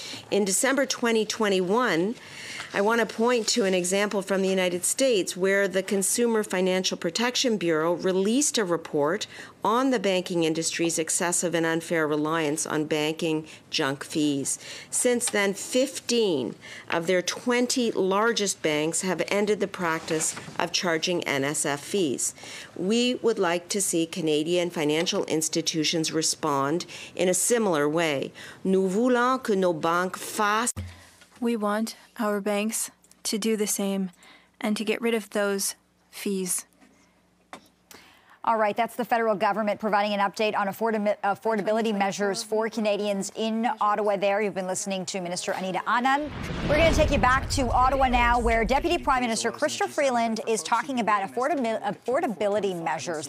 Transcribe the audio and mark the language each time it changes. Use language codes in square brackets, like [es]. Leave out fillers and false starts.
[en] In December 2021, I want to point to an example from the United States where the Consumer Financial Protection Bureau released a report on the banking industry's excessive and unfair reliance on banking junk fees. Since then, 15 of their 20 largest banks have ended the practice of charging NSF fees. We would like to see Canadian financial institutions respond in a similar way. [fr] Nous voulons que nos banques fassent. [en] We want our banks to do the same and to get rid of those fees. All right, that's the federal government providing an update on affordability measures for Canadians in Ottawa there. You've been listening to Minister Anita Anand. We're going to take you back to Ottawa now, where Deputy Prime Minister Chrystia Freeland is talking about affordability measures.